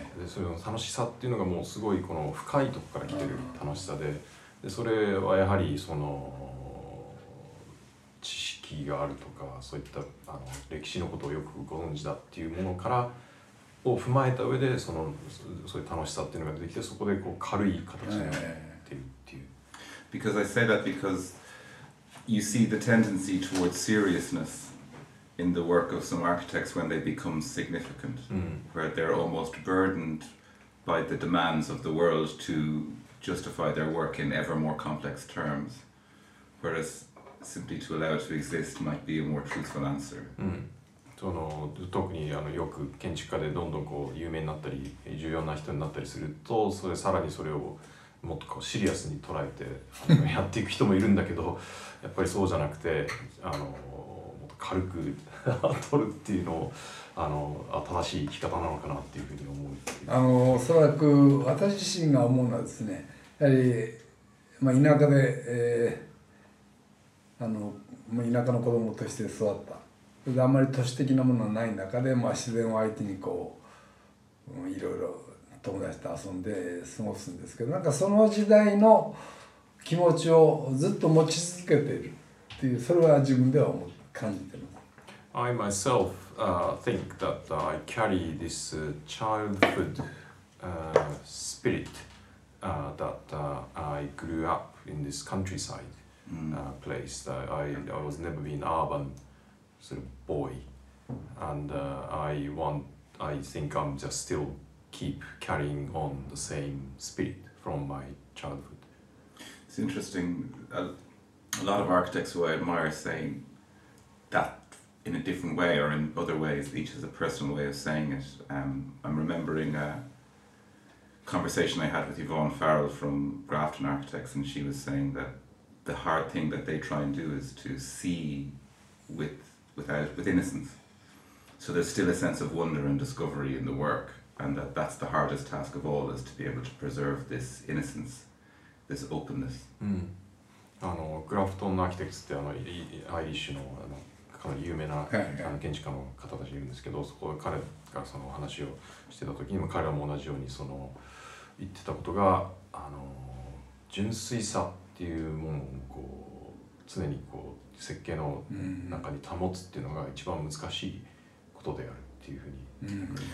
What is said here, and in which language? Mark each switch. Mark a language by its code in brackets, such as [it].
[ja] で、その楽しさっていうのがもうすごいこの深いとこから来てる楽しさで、でそれはやはりその知識があるとか、そういった歴史のことをよくご存知だっていうものからを踏まえた上で、そのそういう楽しさっていうのが出てきて、そこでこう軽い形になっているっていう。 [en] Because I say that because you see the tendency towards seriousness in the work of some architects when they become significant, where they're almost burdened by the demands of the world to justify their work in ever more complex terms, whereas simply to allow it to exist might be a more truthful answer. [ja] その特によく建築家でどんどんこう有名になったり重要な人になったりすると、それさらにそれをもっとこうシリアスに捉えてやっていく人もいるんだけど、やっぱりそうじゃなくてもっと軽く取るっていうのを新しい生き方なのかなっていうふうに思う。おそらく私自身が思うのはですね、やはり、まあ、田舎で、田舎の子供として育った、それであんまり都市的なものはない中で、まあ、自然を相手にこういろいろ友達と遊んで過ごすんですけど、なんかその時代の気持ちをずっと持ち続けているっていう、それは自分では思う感じてます。 [en] I myself think that I carry this childhood spirit that I grew up in this countryside place. I was never been urban sort of boy, and I think I'm just still keep carrying on the same spirit from my childhood. It's interesting. A lot of architects who I admire saying that. In a different way or in other ways, each has a personal way of saying it. I'm remembering a conversation I had with Yvonne Farrell from Grafton Architects, and she was saying that the hard thing that they try and do is to see with innocence. So there's still a sense of wonder and discovery in the work, and that's the hardest task of all, is to be able to preserve this innocence, this openness. [ja] Grafton Architects ってアイリッシュの有名な建築家の方たちいるんですけど、そこで彼がその話をしてた時にも、彼らも同じようにその言ってたことが、純粋さっていうものをこう常にこう設計の中に保つっていうのが一番難しいことであるっていうふうに言